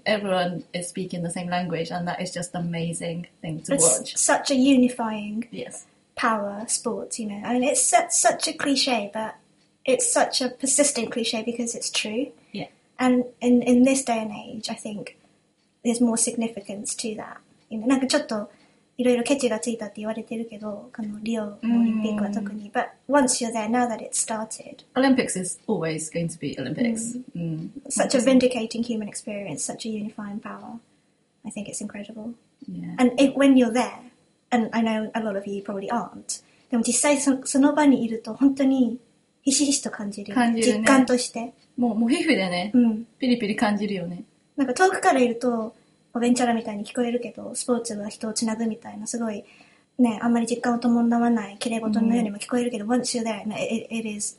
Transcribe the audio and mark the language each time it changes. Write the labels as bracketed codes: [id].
[en] Everyone is speaking the same language, and that is just an amazing thing to、 it's、 watch. It's such a unifying... Yes. power sports, you know. I mean, it's such a cliche, but it's such a persistent cliche because it's true. Yeah. And in this day and age, I think there's more significance to that. You know, [ja] なんかちょっといろいろケチがついたって言われてるけど、このリオオリンピックは特に。 [en] But once you're there, now that it's started. Olympics is always going to be Olympics. Mm. Mm. Such a vindicating human experience, such a unifying power. I think it's incredible. Yeah. And it, when you're there,And I know a lot of you probably aren't. [ja] でも実際その場にいると本当にひしひしと感じる。感じるね。実感として。もう皮膚でね。うん。ピリピリ感じるよね。なんか遠くからいると、おべんちゃらみたいに聞こえるけど、スポーツは人をつなぐみたいな、すごい、ね、あんまり実感を伴わない、綺麗事のようにも聞こえるけど、 [en] once you're there, it is...